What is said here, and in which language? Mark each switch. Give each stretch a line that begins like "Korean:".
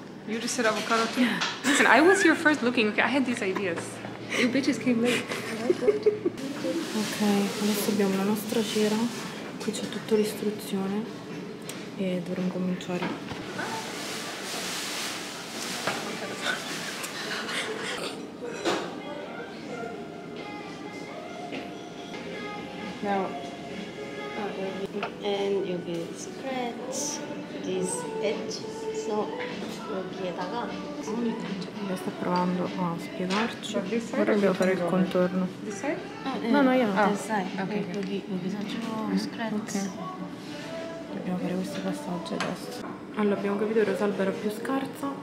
English: You just said avocado too? Yeah. Listen, I was here first looking, okay? I had these ideas. You bitches came late.
Italian: Ok, adesso abbiamo la nostra cera. Qui c'è tutta l'istruzione. E dovremmo cominciare.
English: Now, and you can scratch this edge. So,
Italian: qui è da qua. Lei sta provando a spiegarci. Ora devo fare il contorno. No, io. Dobbiamo fare questi passaggi adesso. Allora, abbiamo capito che Rosalba era più scarsa.